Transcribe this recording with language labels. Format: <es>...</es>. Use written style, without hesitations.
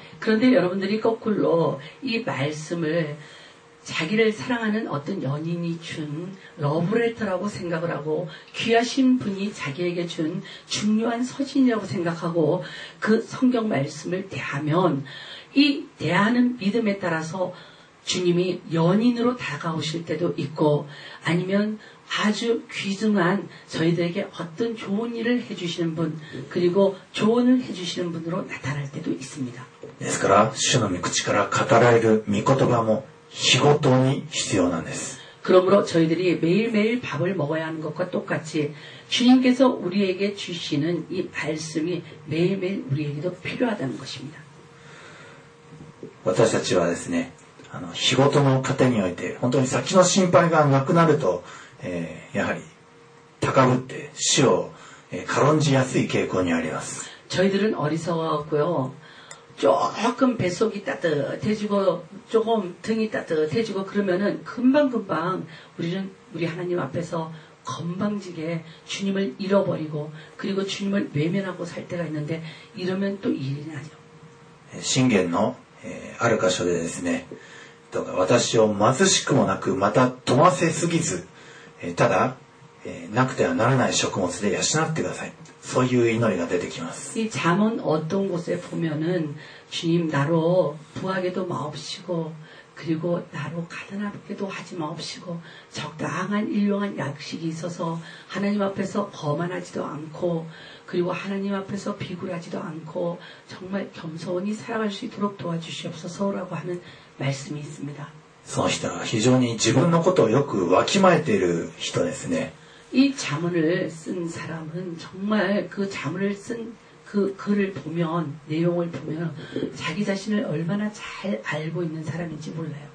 <ko>그런데여러분들이거꾸로이말씀을자기를사랑하는어떤연인이준러브레터라고생각을하고귀하신분이자기에게준중요한서신이라고생각하고그성경말씀을대하면이대하는믿음에따라서주님이연인으로다가오실때도있고아니면아주귀중한저희들에게어떤좋은일을해주시는분그리고조언을해주시는분으로나타날때도있습니다</ko> <ja>ですから主の御口から語られる御言葉も日ごとに必要なんです</ja> <ko>그러므로 저희들이 매일매일 밥을 먹어야 하는 것과 똑같이 주님께서 우리에게 주시는 이 말씀이 매일매일 우리에게도 필요하다는 것입니다.</ko> <ja>私たちはですね、仕事の糧において、本当に先の心配がなくなると、やはり高ぶって死を軽んじやすい傾向にあります。</ja> <ko>저희들은 어리석었고요. 조금 뱃속이 따뜻해지고 조금 등이 따뜻해지고 그러면은 금방금방 우리는 우리 하나님 앞에서 건방지게 주님을 잃어버리고 그리고 주님을 외면하고 살 때가 있는데 이러면 또 일이 나죠.</ko> <ja>신견의 ある 箇所で ですね, 私を 貧しくも なく また 富ませ すぎず, ただ なくては ならない 食物で 養ってください. そういう祈りが出てきます.</ja> <ko>이 잠언 어떤 곳에 보면은 주님 나로 부하게도 마옵시고 그리고 나로 가난하게도 하지 마옵시고 적당한 일용한 약식이 있어서 하나님 앞에서 거만하지도 않고 그리고 하나님 앞에서 비굴하지도 않고 정말 겸손히 살아갈 수 있도록 도와주시옵소서라고 하는 말씀이 있습니다.</ko> <ja>非常に自分のことをよくわきまえている人ですね.</ja> <ko>이 자문을 쓴 사람은 정말 그 자문을 쓴 그 글을 보면 내용을 보면 자기 자신을 얼마나 잘 알고 있는 사람인지 몰라요.</ko>